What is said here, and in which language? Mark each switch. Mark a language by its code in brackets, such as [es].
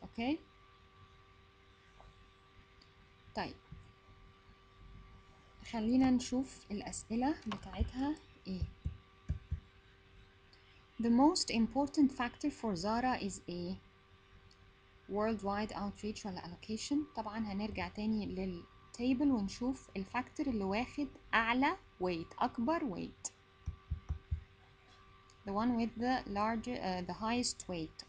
[ar] اوكي طيب خلينا نشوف الأسئلة بتاعتها إيه. [en] The most important factor for Zara is A. Worldwide outreach ولا allocation. [ar] طبعا هنرجع تاني للتابل ونشوف الفاكتور اللي واخد أعلى weight أكبر weight. [en] The one with the larger the highest weight.